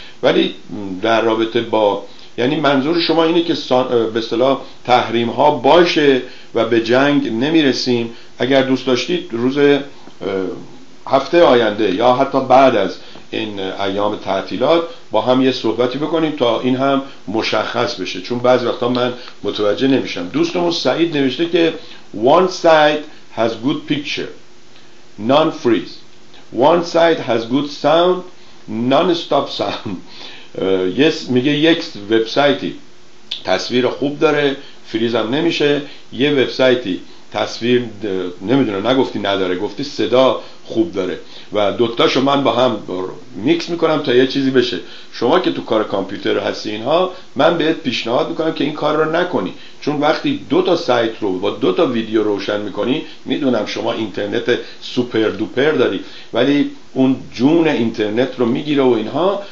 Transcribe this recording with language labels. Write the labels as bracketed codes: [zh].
[fa] ولی در رابطه با، یعنی منظور شما اینه که به اصطلاح تحریم ها باشه و به جنگ نمیرسیم؟ اگر دوست داشتید روز هفته آینده یا حتی بعد از این ایام تعطیلات با هم یه صحبتی بکنیم تا این هم مشخص بشه، چون بعضی وقتا من متوجه نمیشم. دوستمون سعید نوشته که [en] One side has good picture, none freeze. One side has good sound, none stop sound. [fa] Yes, میگه یک وبسایتی تصویر خوب داره، فریز هم نمیشه. یه وبسایتی تصویر نمیدونه، نگفتی نداره، گفتی صدا خوب داره، و دوتاشو من با هم میکس میکنم تا یه چیزی بشه. شما که تو کار کامپیوتر هستی اینها، من بهت پیشنهاد میکنم که این کار رو نکنی، چون وقتی دوتا سایت رو با دوتا ویدیو روشن میکنی، میدونم شما اینترنت سوپر دوپر داری، ولی اون جون اینترنت رو میگیره و اینها.